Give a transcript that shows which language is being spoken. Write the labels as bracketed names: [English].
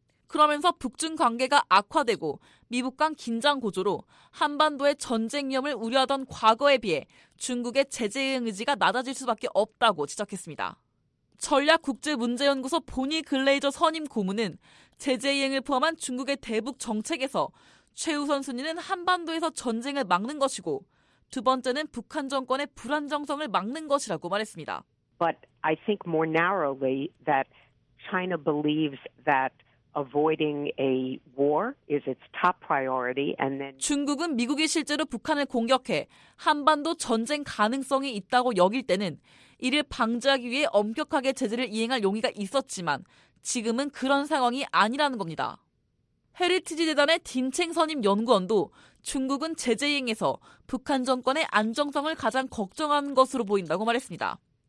[Korean] 그러면서 북중 관계가 악화되고 미북 간 긴장 고조로 한반도의 전쟁 위험을 우려하던 과거에 비해 중국의 제재 이행 의지가 낮아질 수밖에 없다고 지적했습니다. 전략국제문제연구소 보니 글레이저 선임 고문은 제재 이행을 포함한 중국의 대북 정책에서 최우선순위는 한반도에서 전쟁을 막는 것이고 두 번째는 북한 정권의 불안정성을 막는 것이라고 말했습니다. [English] But I think more narrowly that China believes that avoiding a war is its top priority and then [Korean] 중국은 미국이 실제로 북한을 공격해 한반도 전쟁 가능성이 있다고 여길 때는 이를 방지하기 위해 엄격하게 제재를 이행할 용의가 있었지만 지금은 그런 상황이 아니라는 겁니다. 헤리티지 재단의 딘칭 선임 연구원도 중국은 제재 이행에서 북한 정권의 안정성을 가장 걱정하는 것으로 보인다고 말했습니다.